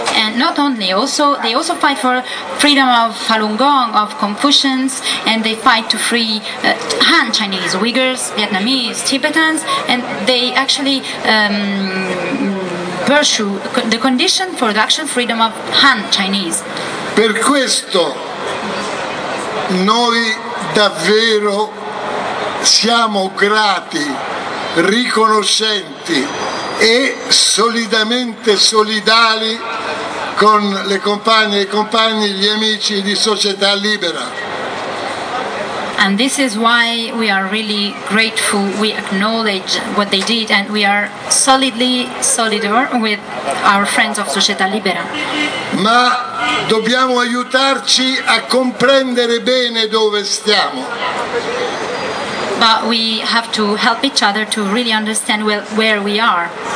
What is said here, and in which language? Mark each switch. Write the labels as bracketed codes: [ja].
[en] And not only, also they also fight for freedom of Falun Gong, of Confucians, and they fight to free Han Chinese, Uyghurs, Vietnamese, Tibetans, and they actually pursue the condition for the actual freedom of Han Chinese. [it] Per questo noi davvero siamo grati, riconoscenti e solidamente solidali con le compagne e i compagni, gli amici di Società Libera. [en] And this is why we are really grateful, we acknowledge what they did, and we are solidly solidar with our friends of Società Libera. [it] Ma dobbiamo aiutarci a comprendere bene dove stiamo. [en] but we have to help each other to really understand where we are.